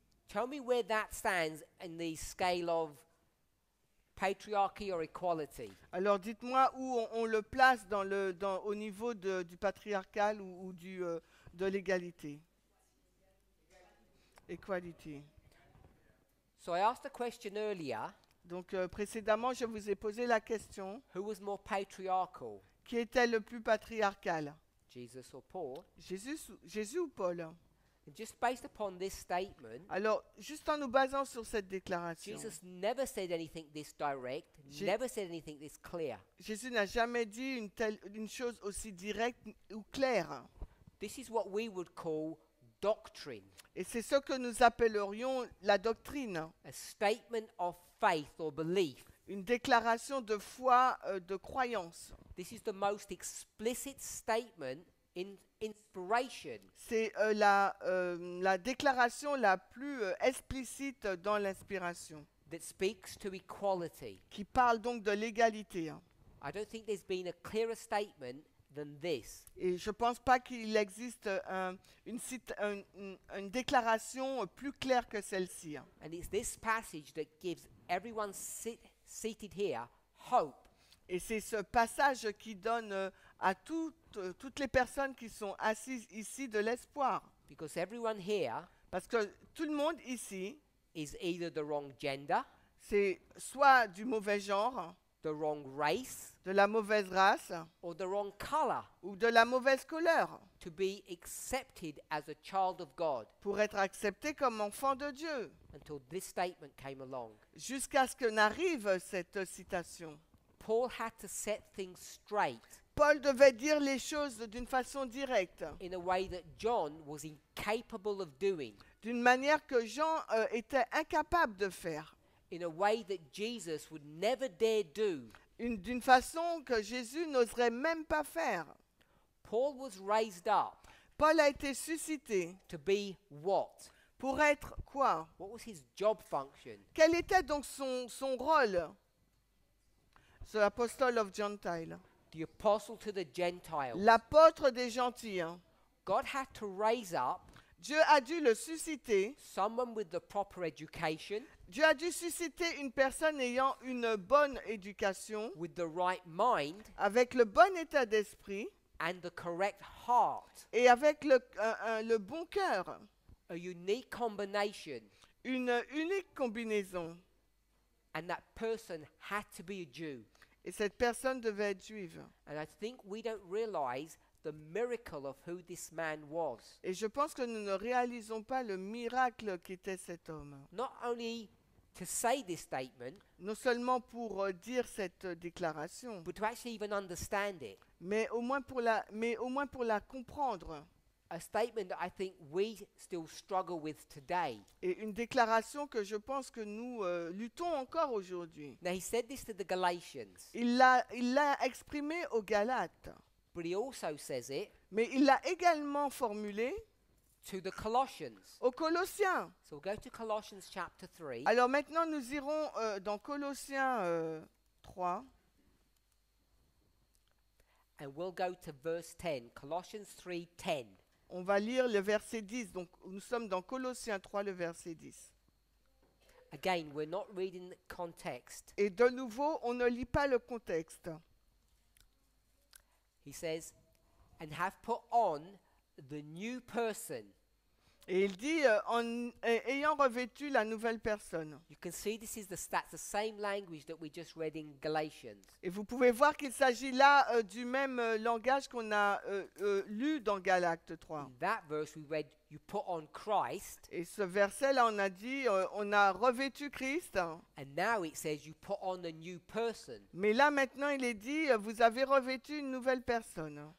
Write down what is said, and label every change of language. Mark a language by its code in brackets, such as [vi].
[en] Tell me where that stands in the scale of patriarchy or equality. [fr] Alors dites-moi où on le place au niveau du patriarcal ou de l'égalité. [en] Equality. So I asked a question earlier. [fr] Donc précédemment, je vous ai posé la question. [en] Who was more patriarchal? [fr] Qui était le plus patriarcal? [en] Jesus or Paul? [fr] Jésus ou Paul? [en] Just based upon this statement, [fr] alors, juste en nous basant sur cette déclaration, [en] Jesus never said anything this direct, never said anything this clear. [fr] Jésus n'a jamais dit une chose aussi directe ou claire. [en] This is what we would call doctrine. [fr] Et c'est ce que nous appellerions la doctrine. [en] A statement of faith or belief. [fr] Une déclaration de foi, de croyance. [en] This is the most explicit statement in inspiration. [fr] C'est la déclaration la plus explicite dans l'inspiration. [en] That speaks to equality. [fr] Qui parle donc de l'égalité. [en] I don't think there's been a clearer statement than this. [fr] Et je pense pas qu'il existe une déclaration plus claire que celle-ci. [en] And it's this passage that gives everyone seated here hope. [fr] Et c'est ce passage qui donne à toutes les personnes qui sont assises ici de l'espoir. [en] Because everyone here, [fr] parce que tout le monde ici, [en] is either the wrong gender, [fr] c'est soit du mauvais genre, [en] the wrong race, [fr] de la mauvaise race, [en] or the wrong color, [fr] ou de la mauvaise couleur, [en] to be accepted as a child of God, [fr] pour être accepté comme enfant de Dieu, [en] until this statement came along. [fr] Jusqu'à ce que n'arrive cette citation. [en] Paul had to set things straight. [fr] Paul devait dire les choses d'une façon directe. [en] In a way that John was incapable of doing. [fr] D'une manière que Jean était incapable de faire. [en] In a way that Jesus would never dare do. [fr] D'une façon que Jésus n'oserait même pas faire. [en] Paul was raised up. [fr] Paul a été suscité. [en] To be what? [fr] Pour être quoi? [en] What was his job function? [fr] Quel était donc son rôle? [en] The apostle of Gentiles. The apostle to the Gentiles. [fr] L'apôtre des gentils. [en] God had to raise up. [fr] Dieu a dû le susciter. [en] Someone with the proper education. [fr] Dieu a dû susciter une personne ayant une bonne éducation. [en] With the right mind. [fr] Avec le bon état d'esprit. [en] And the correct heart. [fr] Et avec le bon cœur. [en] A unique combination. [fr] Une unique combinaison. [en] And that person had to be a Jew. [fr] Et cette personne devait être juive. [en] And I think we don't realize the miracle of who this man was. [fr] Et je pense que nous ne réalisons pas le miracle qu'était cet homme. [en] Not only to say this statement, [fr] non seulement pour dire cette déclaration, [en] but to actually even understand it. [fr] Mais au moins pour la comprendre. [en] A statement that I think we still struggle with today. [fr] Et une déclaration que je pense que nous luttons encore aujourd'hui. [en] Now he said this to the Galatians. [fr] Il l'a exprimé aux Galates. [en] But he also says it. [fr] Mais il l'a également formulé. [en] To the Colossians. [fr] Aux Colossiens. [en] So we'll go to Colossians chapter 3. [fr] Alors maintenant nous irons dans Colossiens 3. [en] And we'll go to verse 10. Colossians 3, 10. [fr] On va lire le verset 10. Donc, nous sommes dans Colossiens 3, le verset 10. [en] Again, we're not reading the context. [fr] Et de nouveau, on ne lit pas le contexte. [en] He says, and have put on the new person. [fr] Et il dit, ayant revêtu la nouvelle personne. [en] You can see this is the same language that we just read in Galatians. [fr] Et vous pouvez voir qu'il s'agit là du même langage qu'on a lu dans Galates 3. [en] In that verse we read, you put on Christ. [fr] Et ce verset-là, on a dit, on a revêtu Christ. [en] And now it says, you put on a new person. [fr] Mais là, maintenant, il est dit, vous avez revêtu une nouvelle personne.